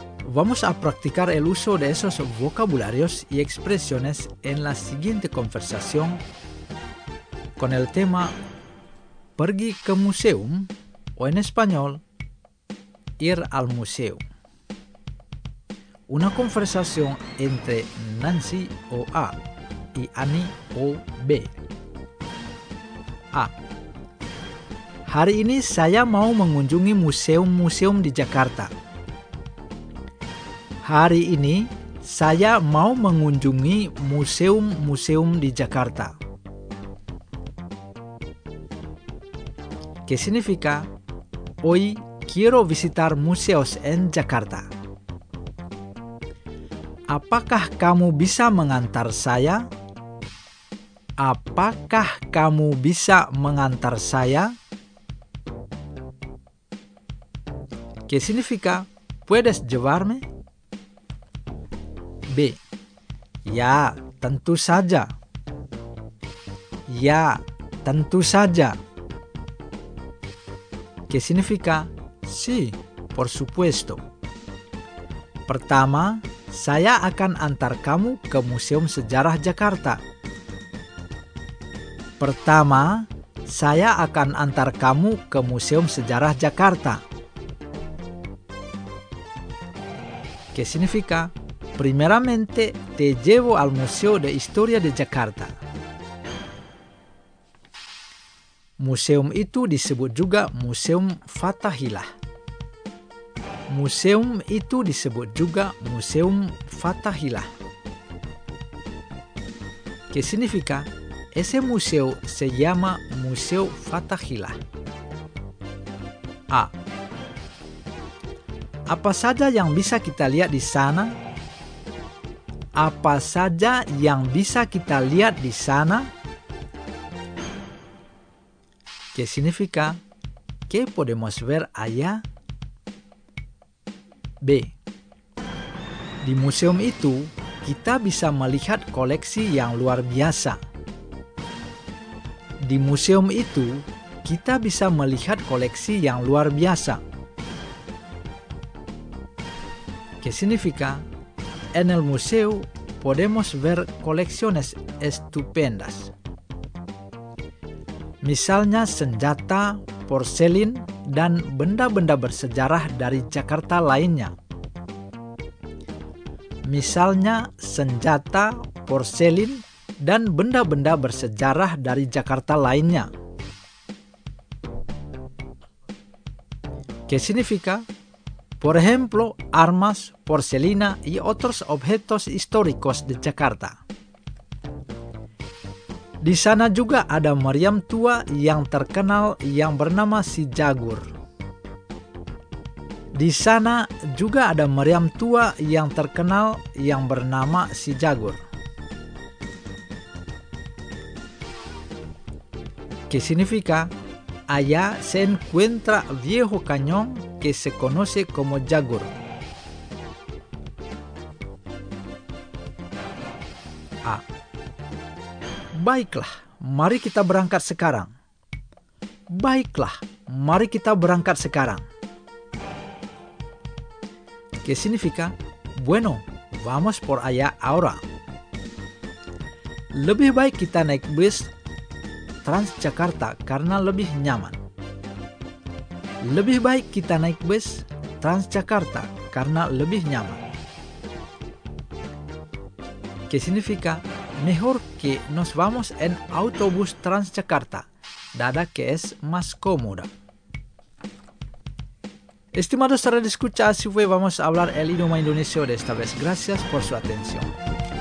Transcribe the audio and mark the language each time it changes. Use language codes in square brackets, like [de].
[es] Vamos a practicar el uso de esos vocabularios y expresiones en la siguiente conversación con el tema [id] Pergi ke museum, [es] o en español, ir al museo. Una conversación entre Nancy o A y Annie o B. A. [id] Hari ini saya mau mengunjungi museum-museum di Jakarta. Hari ini saya mau mengunjungi museum-museum di Jakarta. [es] Que significa hoy quiero visitar museos en Jakarta. [id] Apakah kamu bisa mengantar saya? Apakah kamu bisa mengantar saya? [es] ¿Qué significa puedes llevarme? [id] B. Ya, tentu saja. Ya, tentu saja. [es] ¿Qué significa sí, por supuesto? [id] Pertama, saya akan antar kamu ke Museum Sejarah Jakarta. Pertama, saya akan antar kamu ke Museum Sejarah Jakarta. [es] Que significa, primeramente te llevo al Museo de Historia de Jakarta. [id] Museum itu disebut juga Museum Fathahillah. Museum itu disebut juga Museum Fathahillah. [es] Que significa, ese museo se llama Museo Fathahillah. A. [id] Apa saja yang bisa kita lihat di sana? Apa saja yang bisa kita lihat di sana? [es] Que significa, ¿qué podemos ver allá? B. [id] Di museum itu, kita bisa melihat koleksi yang luar biasa. Di museum itu, kita bisa melihat koleksi yang luar biasa. [es] ¿Qué significa? En el museo podemos ver colecciones estupendas. [id] Misalnya senjata, porselin, dan benda-benda bersejarah dari Jakarta lainnya. Misalnya senjata, porselin, dan benda-benda bersejarah dari Jakarta lainnya. [es] ¿Qué significa? Por ejemplo, armas, porcelina y otros objetos históricos de Jakarta. [id] Di sana juga ada meriam tua yang terkenal yang bernama si Jagur. Di sana juga ada meriam tua yang terkenal yang bernama si Jagur. [es] ¿Qué significa? Allá se encuentra viejo cañón que se conoce como Jagur. A. [id] Baiklah, mari kita berangkat sekarang. Baiklah, mari kita berangkat sekarang. [es] ¿Qué significa? Bueno, vamos por allá ahora. [id] Lebih baik kita naik bus Transjakarta karena lebih nyaman. Lebih baik kita naik bus Transjakarta karena lebih nyaman. [es] ¿Qué significa? Mejor que nos vamos en autobús Transjakarta, dada que es más cómoda. Estimados radioescuchas, si fue, vamos a hablar el idioma indonesio de esta vez. Gracias por su atención.